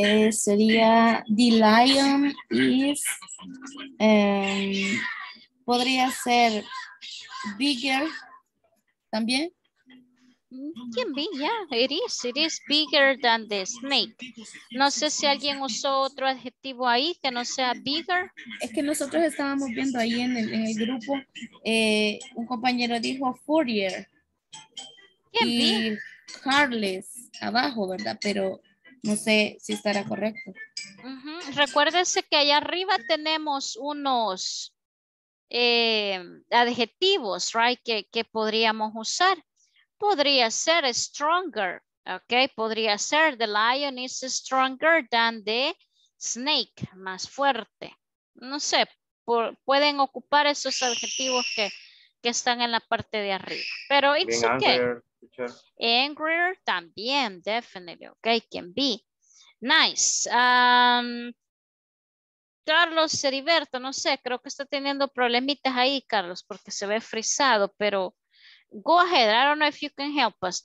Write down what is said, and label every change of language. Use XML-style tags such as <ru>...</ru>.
<es>Sería,</es> <en>the lion is,</en> <es>podría ser bigger también.</es> <en>Can be, yeah, it is bigger than the snake.</en> <es>No sé si alguien usó otro adjetivo ahí que no sea bigger. Es que nosotros estábamos viendo ahí en el grupo, un compañero dijo furrier.</es> <en>Can be.</en> <es>Carless, abajo, ¿verdad? Pero no sé si estará correcto. Uh-huh. Recuérdese que allá arriba tenemos unos adjetivos, right, que podríamos usar. Podría ser stronger, okay? Podría ser</es> <en>the lion is stronger than the snake,</en> <es>más fuerte. No sé, pueden ocupar esos adjetivos que están en la parte de arriba.</es> <en>Pero it's being okay. Angrier, angrier también, definitely, okay? Can be. Nice.</en> <es>Carlos Heriberto, no sé, creo que está teniendo problemitas ahí, Carlos, porque se ve frisado, pero...</es> <en>Go ahead, I don't know if you can help us.</en>